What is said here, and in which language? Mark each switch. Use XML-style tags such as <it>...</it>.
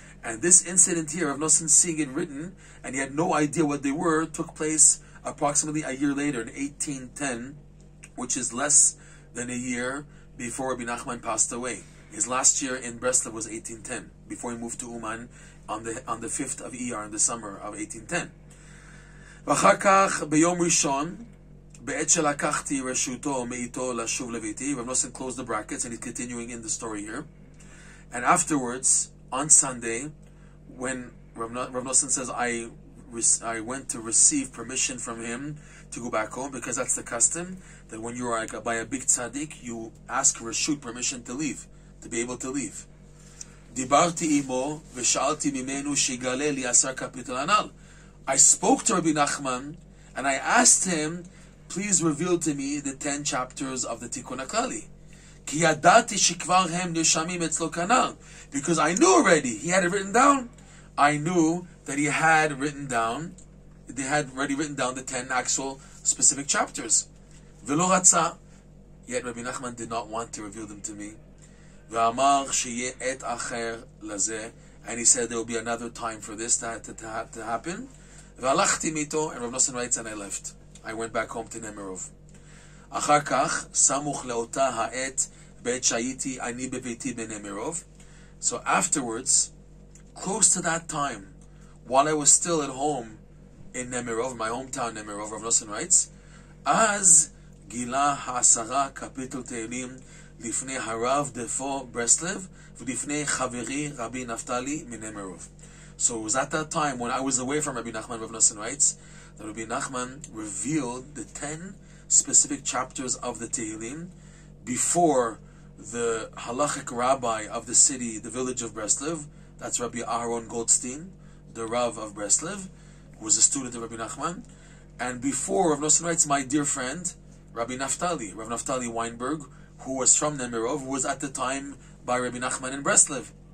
<en>And this incident here of Noson seeing it written, and he had no idea what they were, took place approximately a year later in 1810, which is less than a year before Rabbi Nachman passed away. His last year in Breslov was 1810, before he moved to Uman on the 5th of Iyar, in the summer of 1810.</en> <he>ואחר כך, ביום ראשון, בעת שלקחתי רשותו מאיתו לשוב לביתי,</he> <en>Reb Noson closed the brackets, and he's continuing in the story here. And afterwards, on Sunday, when Reb Noson says, I went to receive permission from him to go back home, because that's the custom, that when you are by a big tzaddik, you ask reshut, permission to leave, to be able to leave.</en> <he>דיברתי עמו ושאלתי ממנו שיגלה לי עשר קפיטל הנ"ל.</he> <en>I spoke to Rabbi Nachman, and I asked him, please reveal to me the 10 chapters of the Tikkun HaKlali.</en> <he>Ki yadati shekvar hem nirshamim etzlo kanal.</he> <en>Because I knew already, he had it written down. I knew that he had written down, they had already written down the 10 actual specific chapters.</en> <he>Ve'lo ratza,</he> <en>yet Rabbi Nachman did not want to reveal them to me.</en> <he>Ve'amar sheye et acher lazeh,</he> <en>and he said there will be another time for this to happen.</en> <he>והלכתי מיתו,</he> <en>and Reb Noson writes, and I left. I went back home to Nemirov.</en> <he>אחר כך, סמוך לאותה העת, בעת שהייתי אני בביתי בנמירוב.</he> <en>So afterwards, close to that time, while I was still at home in Nemirov, my hometown Nemirov, Reb Noson writes,</en> <he>אז גילה העשרה קפיטל תהילים לפני הרב דפו ברסלב, ולפני חברי רבי נפתלי מנמירוב.</he> <en>So it was at that time when I was away from Rabbi Nachman, Reb Noson writes, that Rabbi Nachman revealed the 10 specific chapters of the Tehillim before the halachic rabbi of the city, the village of Breslov, that's Rabbi Aharon Goldstein, the Rav of Breslov, who was a student of Rabbi Nachman, and before Reb Noson writes, my dear friend, Rabbi Naftali Weinberg, who was from Nemirov, who was at the time by Rabbi Nachman in Breslov.</en>